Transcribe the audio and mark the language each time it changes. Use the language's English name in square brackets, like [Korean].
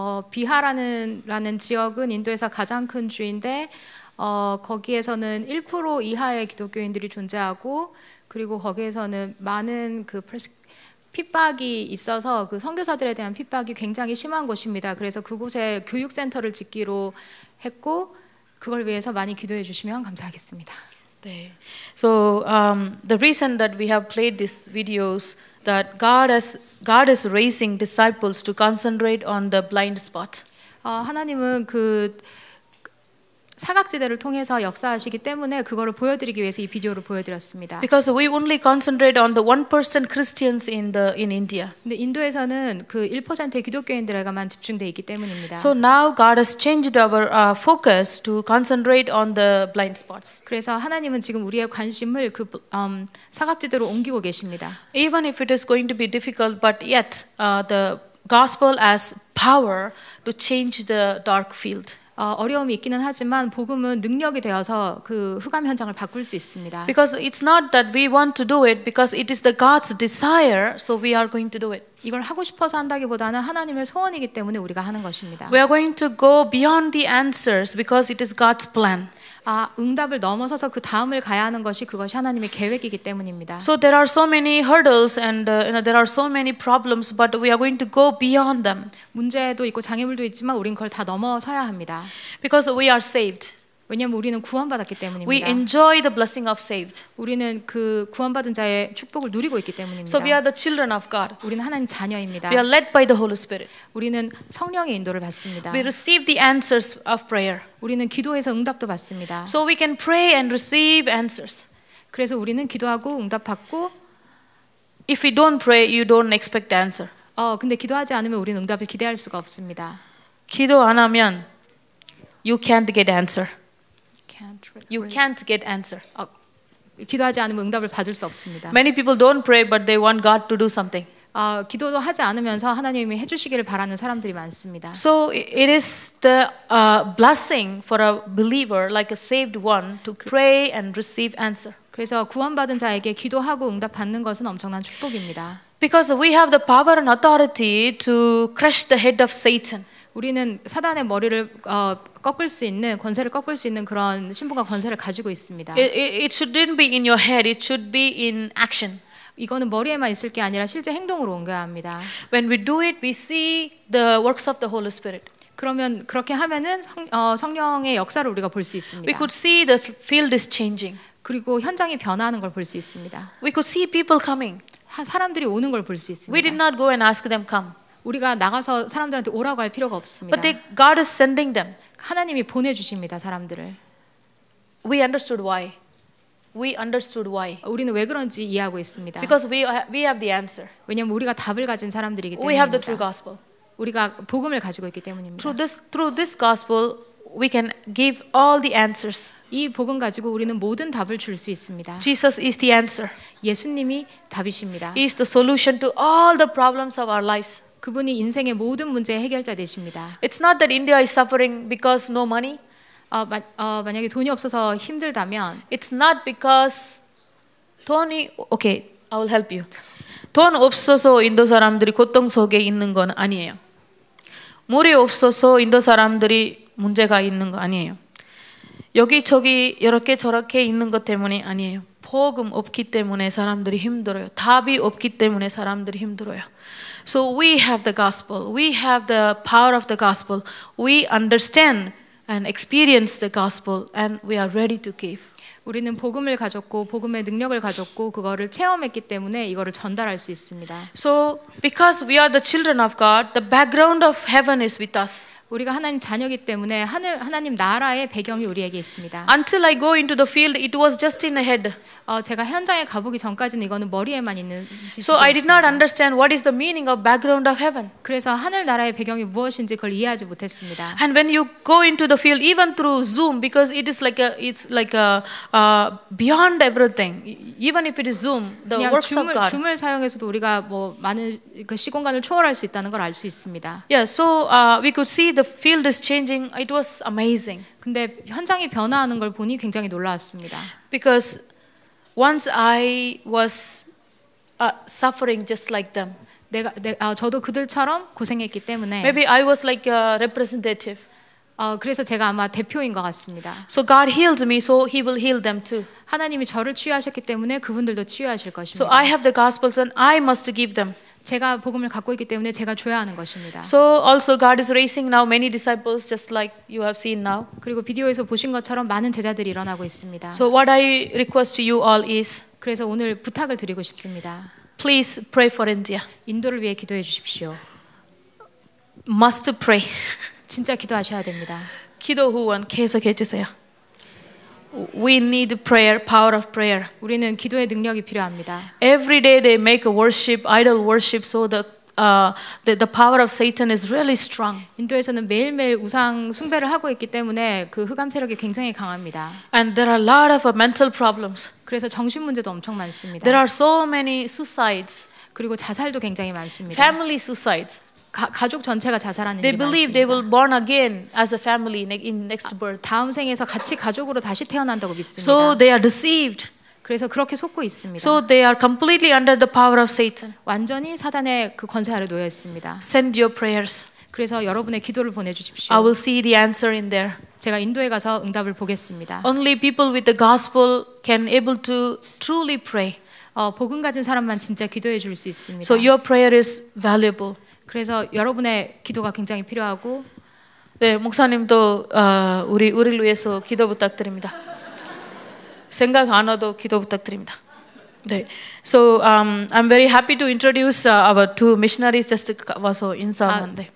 [Korean] 비하라는 지역은 인도에서 가장 큰 주인데 거기에서는 1% 이하의 기독교인들이 존재하고, 그리고 거기에서는 많은 그 핍박이 있어서 그 선교사들에 대한 핍박이 굉장히 심한 곳입니다. 그래서 그곳에 교육센터를 짓기로 했고, 그걸 위해서 많이 기도해 주시면 감사하겠습니다. 네. [English] So the reason that we have played these videos, that God is raising disciples to concentrate on the blind spot. [Korean] 하나님은 그 사각지대를 통해서 역사하시기 때문에 그거를 보여드리기 위해서 이 비디오를 보여드렸습니다. [English] Because we only concentrate on the 1% Christians in India. [Korean] 근데 인도에서는 그 1%의 기독교인들에게만 집중돼 있기 때문입니다. [English] So now God has changed our focus to concentrate on the blind spots. [Korean] 그래서 하나님은 지금 우리의 관심을 그 사각지대로 옮기고 계십니다. [English] Even if it is going to be difficult, but yet the gospel has power to change the dark field. [Korean] 어려움이 있기는 하지만 복음은 능력이 되어서 그 흑암 현장을 바꿀 수 있습니다. [English] Because it's not that we want to do it, because it is the God's desire, so we are going to do it. [Korean] 이걸 하고 싶어서 한다기보다는 하나님의 소원이기 때문에 우리가 하는 것입니다. [English] We are going to go beyond the answers because it is God's plan. [Korean] 응답을 넘어서서 그 다음을 가야 하는 것이 그것이 하나님의 계획이기 때문입니다. [English] So there are so many hurdles and there are so many problems, but we are going to go beyond them. [Korean] 문제도 있고 장애물도 있지만 우린 그걸 다 넘어서야 합니다. [English] Because we are saved. [Korean] 왜냐하면 우리는 구원받았기 때문입니다. [English] We enjoy the blessing of saved. [Korean] 우리는 그 구원받은 자의 축복을 누리고 있기 때문입니다. [English] So we are the children of God. [Korean] 우리는 하나님 자녀입니다. [English] We are led by the Holy Spirit. [Korean] 우리는 성령의 인도를 받습니다. [English] We receive the answers of prayer. [Korean] 우리는 기도에서 응답도 받습니다. [English] So we can pray and receive answers. [Korean] 그래서 우리는 기도하고 응답받고. [English] If we don't pray, you don't expect answer. [Korean] 근데 기도하지 않으면 우리는 응답을 기대할 수가 없습니다. 기도 안 하면 [English] you can't get answer. You can't get answer. [Korean] 기도하지 않으면 응답을 받을 수 없습니다. [English] Many people don't pray, but they want God to do something. [Korean] 기도도 하지 않으면서 하나님이 해주시기를 바라는 사람들이 많습니다. [English] So it is the blessing for a believer, like a saved one, to pray and receive answer. [Korean] 그래서 구원받은 자에게 기도하고 응답 받는 것은 엄청난 축복입니다. [English] Because we have the power and authority to crush the head of Satan. [Korean] 우리는 사단의 머리를 꺾을 수 있는 권세를 꺾을 수 있는 그런 신분과 권세를 가지고 있습니다. [English] It shouldn't be in your head. It should be in action. [Korean] 이거는 머리에만 있을 게 아니라 실제 행동으로 옮겨야 합니다. [English] When we do it, we see the works of the Holy Spirit. [Korean] 그러면 그렇게 하면은 성령의 역사를 우리가 볼 수 있습니다. [English] We could see the field is changing. [Korean] 그리고 현장이 변화하는 걸 볼 수 있습니다. [English] We could see people coming. [Korean] 사람들이 오는 걸 볼 수 있습니다. [English] We did not go and ask them come. [Korean] 우리가 나가서 사람들한테 오라고 할 필요가 없습니다. [English] But God is sending them. [Korean] 하나님이 보내주십니다, 사람들을. [English] We understood why. We understood why. [Korean] 우리는 왜 그런지 이해하고 있습니다. [English] Because we have the answer. [Korean] 왜냐하면 우리가 답을 가진 사람들이기 때문에. [English] We have the true gospel. [Korean] 우리가 복음을 가지고 있기 때문입니다. [English] Through this gospel, we can give all the answers. [Korean] 이 복음 가지고 우리는 모든 답을 줄 수 있습니다. [English] Jesus is the answer. [Korean] 예수님이 답이십니다. [English] He is the solution to all the problems of our lives. [Korean] 그분이 인생의 모든 문제의 해결자 되십니다. [English] It's not that India is suffering because no money. [Korean] 만약에 돈이 없어서 힘들다면, [English] It's not because dony. Okay, I will help you. [Korean] 돈 없어서 인도 사람들이 고통 속에 있는 건 아니에요. 물이 없어서 인도 사람들이 문제가 있는 거 아니에요. 여기 저기 이렇게 저렇게 있는 것 때문이 아니에요. 복음 없기 때문에 사람들이 힘들어요. 답이 없기 때문에 사람들이 힘들어요. [English] So we have the gospel. We have the power of the gospel. We understand and experience the gospel and we are ready to give. [Korean] 우리는 복음을 가졌고 복음의 능력을 가졌고 그거를 체험했기 때문에 이거를 전달할 수 있습니다. [English] So because we are the children of God, the background of heaven is with us. [Korean] 우리가 하나님 자녀이기 때문에 하늘 하나님 나라의 배경이 우리에게 있습니다. [English] Until I go into the field, it was just in the head. [Korean] 제가 현장에 가보기 전까지는 이거는 머리에만 있는 지식이었습니다. [English] So I did not understand what is the meaning of background of heaven. [Korean] 그래서 하늘 나라의 배경이 무엇인지 그걸 이해하지 못했습니다. [English] And when you go into the field, even through Zoom, because it's like a beyond everything. Even if it is Zoom, the works of God. [Korean] 줌을 사용해서도 우리가 뭐 많은 그 시공간을 초월할 수 있다는 걸 알 수 있습니다. [English] Yeah, so we could see. The field is changing. It was amazing. [Korean] 근데 현장이 변화하는 걸 보니 굉장히 놀라웠습니다. [English] Because once I was suffering just like them. [Korean] 저도 그들처럼 고생했기 때문에. [English] Maybe I was like a representative. [Korean] 그래서 제가 아마 대표인 것 같습니다. [English] So God healed me, so He will heal them too. [Korean] 하나님이 저를 치유하셨기 때문에 그분들도 치유하실 것입니다. [English] So I have the gospels and I must give them. [Korean] 제가 복음을 갖고 있기 때문에 제가 줘야 하는 것입니다. [English] So also God is raising now many disciples just like you have seen now. [Korean] 그리고 비디오에서 보신 것처럼 많은 제자들이 일어나고 있습니다. [English] So what I request you all is [Korean] 그래서 오늘 부탁을 드리고 싶습니다. [English] Please pray for India. [Korean] 인도를 위해 기도해 주십시오. [English] Must pray. [Korean] 진짜 기도하셔야 됩니다. 기도 후원 계속해 주세요. [English] We need prayer, power of prayer. [Korean] 우리는 기도의 능력이 필요합니다. [English] Every day they make a worship, idol worship, so the power of Satan is really strong. [Korean] 인도에서는 매일매일 우상 숭배를 하고 있기 때문에 그 흑암 세력이 굉장히 강합니다. [English] And there are a lot of mental problems. [Korean] 그래서 정신 문제도 엄청 많습니다. [English] There are so many suicides. [Korean] 그리고 자살도 굉장히 많습니다. [English] Family suicides. [Korean] 가족 전체가 자살하는 [English] They believe [Korean] 많습니다. [English] They will born again as a family in next birth. [Korean] 다음 생에서 같이 가족으로 다시 태어난다고 믿습니다. [English] So they are deceived. [Korean] 그래서 그렇게 속고 있습니다. [English] So they are completely under the power of Satan. [Korean] 완전히 사단의 그 권세 아래 놓여 있습니다. [English] Send your prayers. [Korean] 그래서 여러분의 기도를 보내 주십시오. [English] I will see the answer in there. [Korean] 제가 인도에 가서 응답을 보겠습니다. [English] Only people with the gospel can able to truly pray. [Korean] 복음 가진 사람만 진짜 기도해 줄 수 있습니다. [English] So your prayer is valuable. [Korean] 그래서 여러분의 기도가 굉장히 필요하고 네, 목사님도 우리를 위해서 기도 부탁드립니다. 생각 안 해도 기도 부탁드립니다. 네. [English] So I'm very happy to introduce our two missionaries just [Korean] 와서 인사하는데